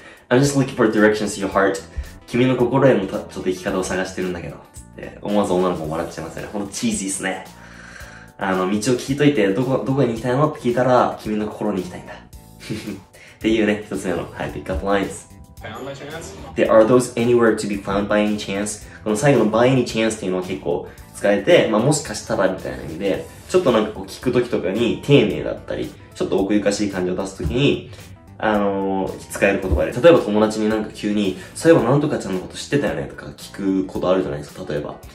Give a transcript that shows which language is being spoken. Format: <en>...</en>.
<en>I'm just looking for directions to your heart.</en> <ja>君の心へのちょっと生き方を探してるんだけど、って思わず女の子も笑っちゃいますよね。ほんとチーズィーっすね。あの、道を聞いといて、どこへ行きたいのって聞いたら、君の心に行きたいんだ。っていうね、一つ目の、はい、ピックアップラインズ。</ja> <en>で、are those anywhere to be found by any chance?</en> <ja>この最後の by any chance っていうのは結構使えて、まあ、もしかしたらみたいな意味で、ちょっとなんかこう聞くときとかに丁寧だったり、ちょっと奥ゆかしい感じを出すときに、使える言葉で。例えば友達になんか急に、そういえばなんとかちゃんのこと知ってたよねとか聞くことあるじゃないですか、例えば。</ja>